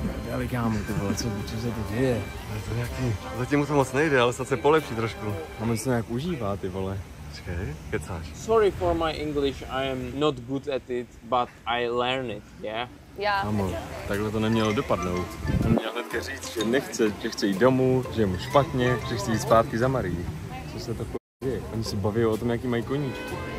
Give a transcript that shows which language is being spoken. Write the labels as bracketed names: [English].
[Czech] Já vykám, ty vole, co se to děje? Ale to nějaký... Zatím to moc nejde, ale snad se polepší trošku. A on se nějak užívá, ty vole. Počkej, kecáš. [English] Sorry for my English, I am not good at it, but I learn it, yeah? Yeah. [Czech] Kámo, takhle to nemělo dopadnout. On měl hnedka říct, že nechce, že chce jít domů, že je mu špatně, že chce jít zpátky za Marii. Co se to děje? Oni se baví o tom, jaký mají koníčky.